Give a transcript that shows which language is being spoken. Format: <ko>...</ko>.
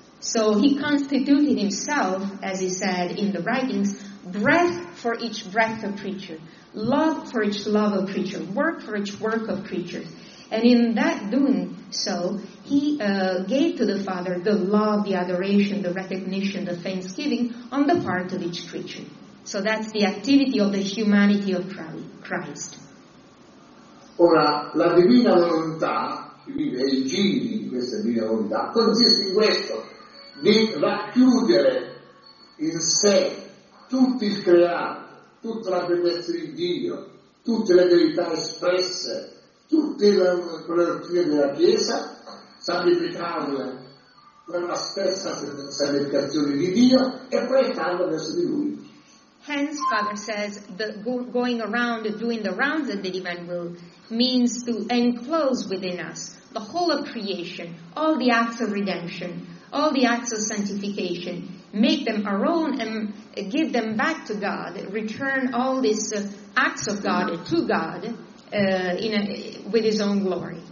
<en>So he constituted himself, as he said in the writings, breath for each breath of creature, love for each love of creature, work for each work of creature. And in that doing so, he gave to the Father the love, the adoration, the recognition, the thanksgiving on the part of each creature. So that's the activity of the humanity of Christ.</en> <it>Ora, la divina volontà, quindi il genio di questa divina volontà, consiste in questo, di racchiudere in sé tutto il creato, tutta la bellezza di Dio, tutte le verità espresse, tutte le prerogative della Chiesa, sacrificarle per la stessa santificazione di Dio e proiettarle verso di Lui.</it> <en>Hence, Father says, the going around doing the rounds of the divine will means to enclose within us the whole of creation, all the acts of redemption, all the acts of sanctification, make them our own and give them back to God, return all these acts of God to God with His own glory.</en>